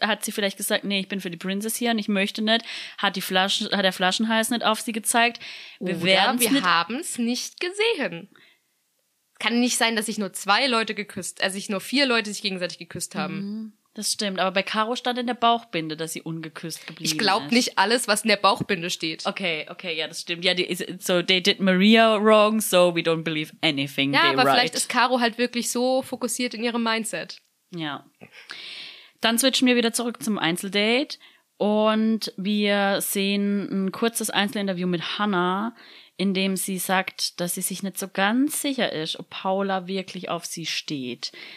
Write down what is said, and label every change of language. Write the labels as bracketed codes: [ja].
[de] Hat sie vielleicht gesagt, nee, ich bin für die Princess hier und ich möchte nicht? Hat der Flaschenhals nicht auf sie gezeigt? Wir haben es nicht gesehen. Kann nicht sein, dass sich nur zwei Leute geküsst, also sich nur vier Leute sich gegenseitig geküsst haben. Mhm. Das stimmt, aber bei Caro stand in der Bauchbinde, dass sie ungeküsst geblieben ist. Ich glaube nicht alles, was in der Bauchbinde steht. Okay, ja, das stimmt. Ja, [en] so they did Maria wrong, so we don't believe anything they write. [de] Ja, aber vielleicht ist Caro halt wirklich so fokussiert in ihrem Mindset. Ja. Dann switchen wir wieder zurück zum Einzeldate und wir sehen ein kurzes Einzelinterview mit Hannah, in dem sie sagt, dass sie sich nicht so ganz sicher ist, ob Paula wirklich auf sie steht.